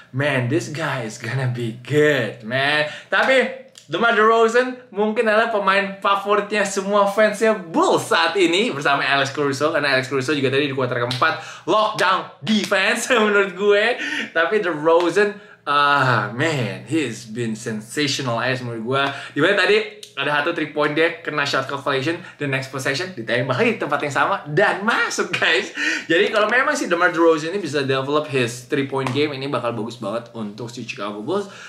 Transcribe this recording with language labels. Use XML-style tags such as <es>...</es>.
<en>Man, this guy is gonna be good, man.</en> <id>Tapi DeMar DeRozan mungkin adalah pemain favoritnya semua fansnya Bulls saat ini bersama Alex Caruso, karena Alex Caruso juga tadi di kuarter keempat lockdown defense menurut gue. Tapi DeRozan,</id> <en>man, he's been sensational</en> <id>aja menurut gue. Dimana tadi ada satu 3 point dia kena shot calculation,</id> <en>the next possession</en> <id>ditembak lagi di tempat yang sama dan masuk guys. Jadi kalau memang si DeMar DeRozan ini bisa</id> <en>develop his 3 point game,</en> <id>ini bakal bagus banget untuk si Chicago Bulls.</id>